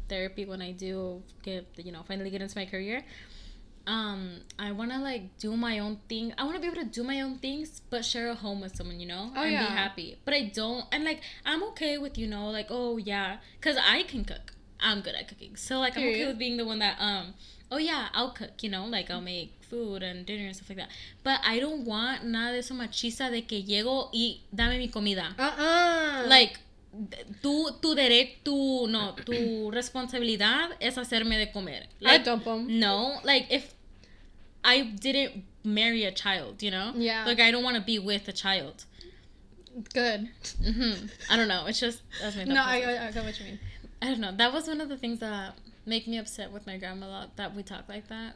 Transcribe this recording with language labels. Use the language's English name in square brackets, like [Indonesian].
[English] therapy when I do get, you know, finally get into my career. I want to, like, do my own thing. I want to be able to do my own things, but share a home with someone, you know? Oh, and yeah. be happy. But I don't, and, like, I'm okay with, you know, like, oh, yeah, because I can cook. I'm good at cooking. So, like, I'm okay with being the one that, oh, yeah, I'll cook, you know? Like, I'll make food and dinner and stuff like that. But I don't want [Spanish] nada de eso machista de que llego y dame mi comida. Like, tu responsabilidad es hacerme de comer. [English] Like, I dump them. No, like, if I didn't marry a child, you know? Yeah. Like, I don't want to be with a child. Good. Mm-hmm. I don't know. It's just, that's my thought. No, I got what you mean. I don't know. That was one of the things that... make me upset with my grandma a lot that we talk like that.